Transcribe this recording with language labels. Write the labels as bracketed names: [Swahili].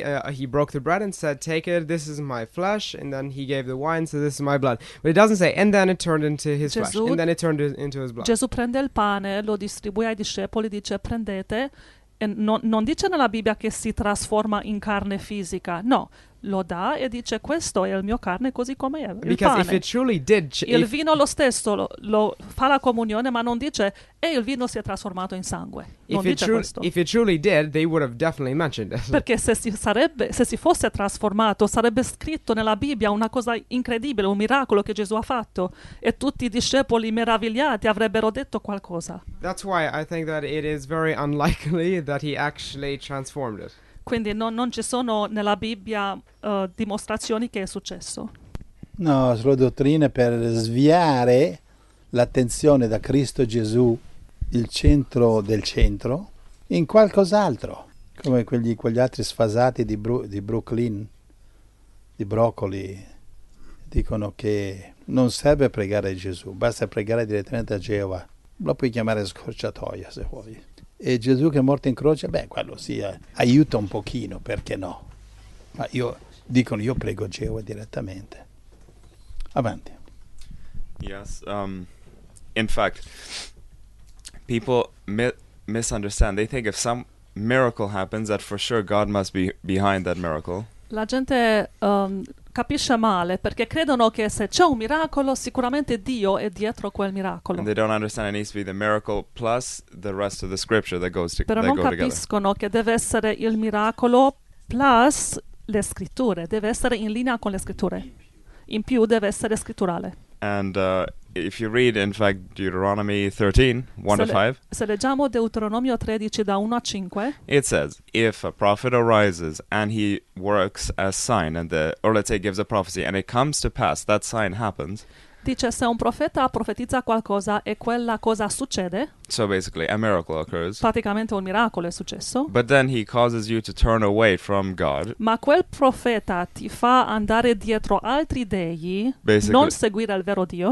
[English] He broke the bread and said, take it, this is my flesh, and then he gave the wine, so this is my blood. But it doesn't say, and then it turned into his flesh, and then it turned into his blood. [Italian] Gesù prende il pane, lo distribuì ai discepoli, dice, prendete... E non dice nella Bibbia che si trasforma in carne fisica, no, lo dà e dice questo è il mio carne così come è, il [English] Because [Italian] pane. [English] If it truly did [Italian] il vino lo stesso, lo fa la comunione ma non dice e il vino si è trasformato in sangue, non dice questo. [English] If it truly did, they would have definitely mentioned it. [Italian] Perché se si fosse trasformato sarebbe scritto nella Bibbia una cosa incredibile, un miracolo che Gesù ha fatto e tutti i discepoli meravigliati avrebbero detto qualcosa. [English] That's why I think that it is very unlikely that he actually transformed it. [Italian] Quindi non ci sono nella Bibbia dimostrazioni che è successo. No, sono dottrine per sviare l'attenzione da Cristo Gesù, il centro del centro, in qualcos'altro, come quegli altri sfasati di Brooklyn, di Broccoli, dicono che non serve pregare a Gesù, basta pregare direttamente a Geova. Lo puoi chiamare scorciatoia se vuoi. E Gesù che è morto in croce, beh, quello sì, aiuta un pochino, perché no? Ma io prego Geova direttamente. Avanti. [English] Yes, in fact, people misunderstand. They think if some miracle happens, that for sure God must be behind that miracle. [Italian] La gente capisce male, perché credono che se c'è un miracolo, sicuramente Dio è dietro quel miracolo. [English] And they don't understand it needs to be the miracle plus the rest of the scripture that goes together. [Italian] Però non capiscono che deve essere il miracolo plus le scritture, deve essere in linea con le scritture. In più deve essere scritturale. [English] And if you read, in fact, Deuteronomy 13, 1-5, [Italian] se leggiamo Deuteronomio 13, da 1 a 5, [English] it says, if a prophet arises and he works a sign, or let's say gives a prophecy, and it comes to pass, that sign happens. [Italian] Dice, se un profeta profetizza qualcosa e quella cosa succede, [English] so basically, a miracle occurs, [Italian] praticamente un miracolo è successo, [English] but then he causes you to turn away from God, [Italian] ma quel profeta ti fa andare dietro altri dei, non seguire il vero Dio,